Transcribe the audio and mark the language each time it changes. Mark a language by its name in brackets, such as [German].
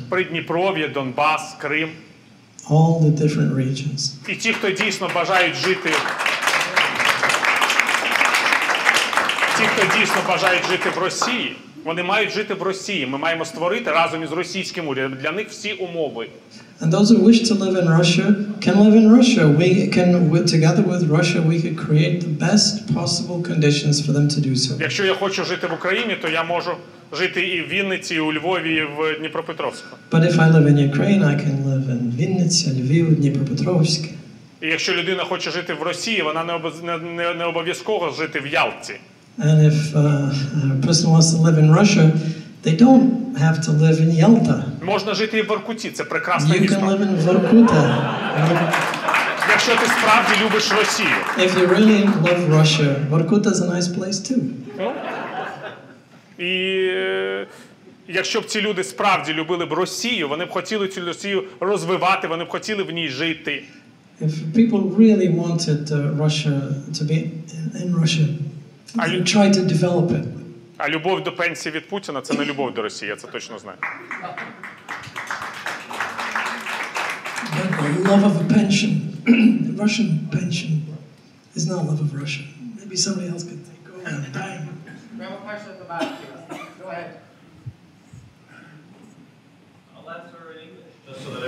[Ukrainian] Придніпров'я, Донбас, Крим. [English] All the different regions. [Ukrainian] І ті, хто дійсно бажають жити. Ті, хто дійсно бажають жити в Росії, вони мають жити в Росії. Ми маємо створити разом із російським урядом для них всі умови. [English] And those who wish to live in Russia can live in Russia. We can, together with Russia, we could create the best possible conditions for them to do so. [Ukrainian] Якщо я хочу жити в Україні, то я можу жити і в Вінниці, і у Львові, і в Дніпропетровську. [English] But if I live in Ukraine, I can live in Вінниці, Львів, Дніпропетровськ. [Ukrainian] І якщо людина хоче жити в Росії, вона не обов'язково жити в Ялті. [English] And if a person wants to live in Russia, they don't have to live in Yalta. [Ukrainian] Можна жити і в Воркуті, це прекрасне місто. [English] You can live in Воркута. [Ukrainian] Якщо ти справді любиш Росію. [English] If you really love Russia, Воркута is a nice place too. [Ukrainian] І якщо б ці люди справді любили б Росію, вони б хотіли цю Росію розвивати, вони б хотіли в ній жити. [English] If people really wanted Russia to be in Russia, try to develop it. [Ukrainian] А любов до пенсії від Путіна – це не любов до Росії, я це точно знаю. [English] But love of a pension, Russian pension, is not love of Russia. Maybe somebody else could take over and die. We have a question at the back. Go ahead. I'll answer in English, just so that